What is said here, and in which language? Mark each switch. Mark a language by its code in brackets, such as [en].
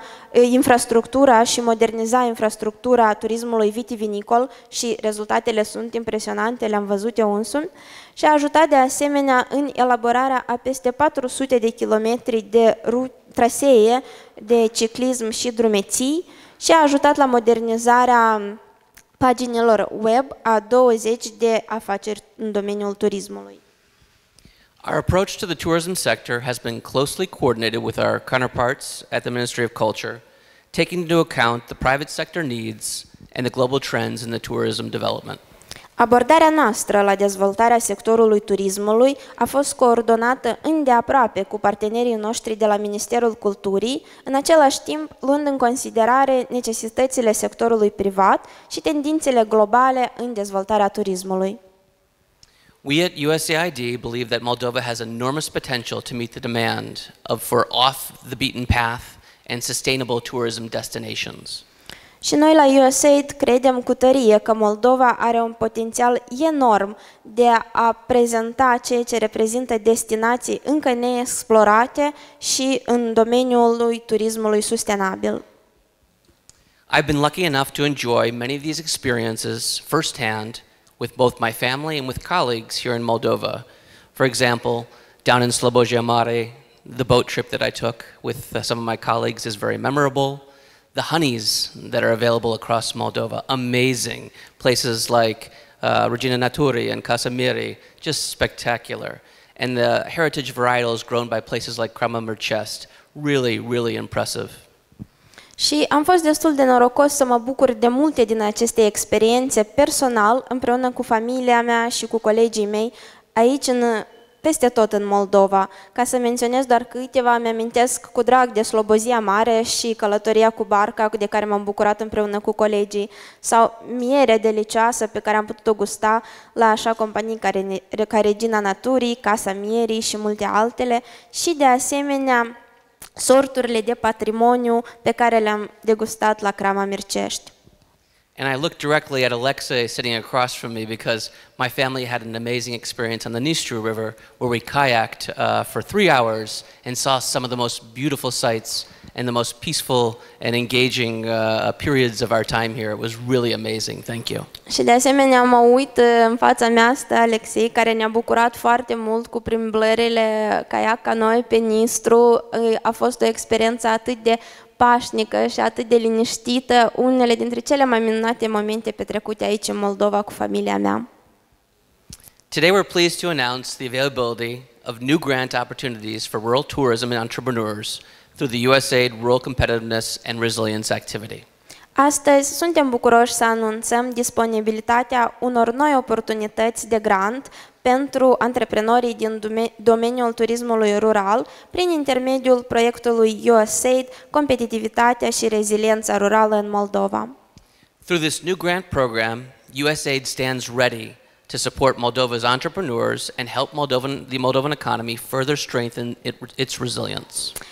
[ro] infrastructura și moderniza infrastructura turismului vitivinicol și rezultatele sunt impresionante, le-am văzut eu însumi, și a ajutat de asemenea în elaborarea a peste 400 de kilometri de trasee de ciclism și drumeții și a ajutat la modernizarea paginilor web a 20 de afaceri în domeniul turismului. [en] Our approach to the tourism sector has been closely coordinated with our counterparts at the Ministry of Culture, taking into account the private sector needs and the global trends in the tourism development. [ro] Abordarea noastră la dezvoltarea sectorului turismului a fost coordonată îndeaproape cu partenerii noștri de la Ministerul Culturii, în același timp luând în considerare necesitățile sectorului privat și tendințele globale în dezvoltarea turismului. [en] We at USAID believe that Moldova has enormous potential to meet the demand for off-the-beaten-path and sustainable tourism destinations. [ro] Și noi la USAID credem cu tărie că Moldova are un potențial enorm de a prezenta ceea ce reprezintă destinații încă neexplorate și în domeniul turismului sustenabil. [en] I've been lucky enough to enjoy many of these experiences firsthand with both my family and with colleagues here in Moldova. For example, down in Slobozia Mare, the boat trip that I took with some of my colleagues is very memorable. The honeys that are available across Moldova, amazing. Places like Regina Naturi and Casamiri, just spectacular. And the heritage varietals grown by places like Crama Mercest, really, really impressive. [ro] Și am fost destul de norocos să mă bucur de multe din aceste experiențe personal împreună cu familia mea și cu colegii mei aici peste tot în Moldova. Ca să menționez doar câteva, mi-amintesc cu drag de Slobozia Mare și călătoria cu barca de care m-am bucurat împreună cu colegii sau mierea delicioasă pe care am putut-o gusta la așa companii ca Regina Naturii, Casa Mierii și multe altele și de asemenea sorturile de patrimoniu pe care le-am degustat la Crama Mircești. [en] And I looked directly at Alexei sitting across from me because my family had an amazing experience on the Nistru River where we kayaked for 3 hours and saw some of the most beautiful sights and the most peaceful and engaging periods of our time here. It was really amazing. Thank you. [ro] Și de asemenea mă uit în fața mea asta Alexei care ne-a bucurat foarte mult cu plimbările kayak canoe pe Nistru. A fost o experiență atât de pașnică și atât de liniștită, unele dintre cele mai minunate momente petrecute aici în Moldova cu familia mea. [en] Today we're pleased to announce the availability of new grant opportunities for rural tourism and entrepreneurs through the USAID Rural Competitiveness and Resilience Activity. [ro] Astăzi suntem bucuroși să anunțăm disponibilitatea unor noi oportunități de grant pentru antreprenorii din domeniul turismului rural prin intermediul proiectului USAID, Competitivitatea și Reziliența Rurală în Moldova. [en] Through this new grant program, USAID stands ready to support Moldova's entrepreneurs and help the Moldovan economy further strengthen its resilience.